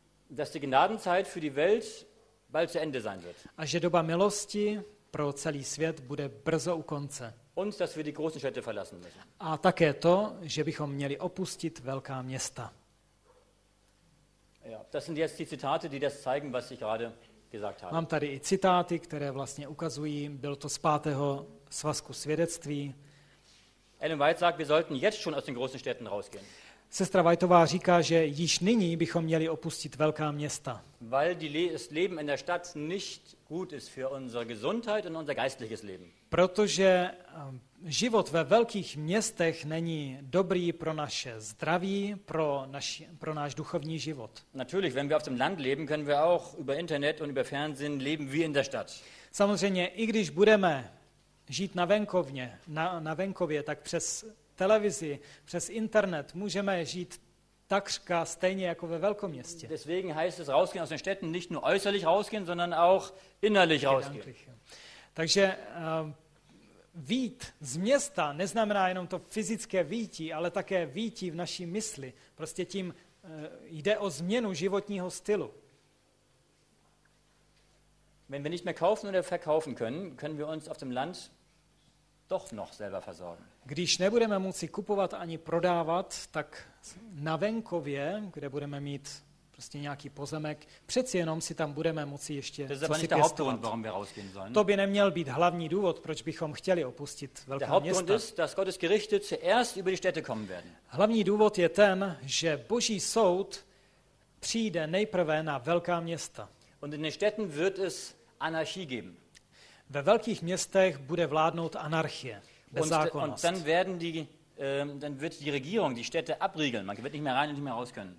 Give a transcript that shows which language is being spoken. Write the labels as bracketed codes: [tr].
[de] Dass die Gnadenzeit für die Welt bald zu Ende sein wird. [cs] A že doba milosti pro celý svět bude brzo u konce. [de] Und dass wir die großen Städte verlassen müssen. [cs] A také to, že bychom měli opustit velká města. [de] Ja, das sind jetzt die Zitate, die das zeigen, was ich gerade gesagt habe. [cs] Mám tady i citáty, které vlastně ukazují, bylo to z 5. svazku svědectví. [de] Ellen White sagt, wir sollten jetzt schon aus den großen Städten rausgehen. [cs] Sestra Whiteová říká, že již nyní bychom měli opustit velká města. [de] Weil das Leben in der Stadt nicht gut ist für unsere Gesundheit und unser geistliches Leben. [cs] Protože život ve velkých městech není dobrý pro naše zdraví, pro náš duchovní život. [de] Natürlich, wenn wir auf dem Land leben, können wir auch über Internet und über Fernsehen leben wie in der Stadt. [cs] Samozřejmě, i když budeme žít na venkovně, na venkově, tak přes televizi, přes internet můžeme žít takřka stejně jako ve velkoměstě. Deswegen heißt es rausgehen aus den Städten nicht nur äußerlich rausgehen, sondern auch innerlich rausgehen. Takže vyjít z města neznamená jenom to fyzické vyjití, ale také vyjití v naší mysli. Prostě tím jde o změnu životního stylu. [de] Wenn wir nicht mehr kaufen oder verkaufen können, können wir uns auf dem Land doch noch selber versorgen. [cs] Když nebudeme moci kupovat ani prodávat, tak na venkově, kde budeme mít prostě nějaký pozemek, přeci jenom si tam budeme moci ještě pěstovat. To by neměl být hlavní důvod, proč bychom chtěli opustit velké město. Hlavní důvod je ten, že Boží soud přijde nejprve na velká města. [de] Und in den Städten wird es Anarchie geben. [cs] Ve velkých městech bude vládnout anarchie, bezzákonnost. [de] Und dann werden die dann wird die Regierung die Städte abriegeln. Man wird nicht mehr rein und nicht mehr raus können.